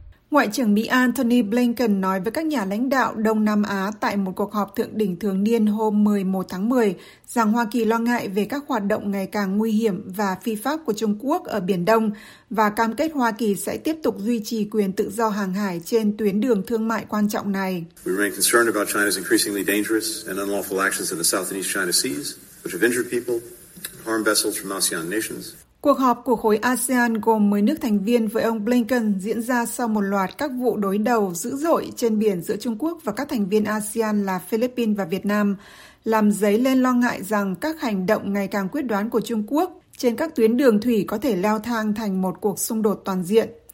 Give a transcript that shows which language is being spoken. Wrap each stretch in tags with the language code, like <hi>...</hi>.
<vi>Ngoại trưởng Mỹ Antony Blinken nói với các nhà lãnh đạo Đông Nam Á tại một cuộc họp thượng đỉnh thường niên hôm 11 tháng 10 rằng Hoa Kỳ lo ngại về các hoạt động ngày càng nguy hiểm và phi pháp của Trung Quốc ở Biển Đông và cam kết Hoa Kỳ sẽ tiếp tục duy trì quyền tự do hàng hải trên tuyến đường thương mại quan trọng này.</vi> <en>We remain concerned about China's increasingly dangerous and unlawful actions in the South and East China Seas, which have injured people, harmed vessels from ASEAN nations.</en> <vi>Cuộc họp của khối ASEAN gồm 10 nước thành viên với ông Blinken diễn ra sau một loạt các vụ đối đầu dữ dội trên biển giữa Trung Quốc và các thành viên ASEAN là Philippines và Việt Nam, làm dấy lên lo ngại rằng các hành động ngày càng quyết đoán của Trung Quốc trên các tuyến đường thủy có thể leo thang thành một cuộc xung đột toàn diện.</vi>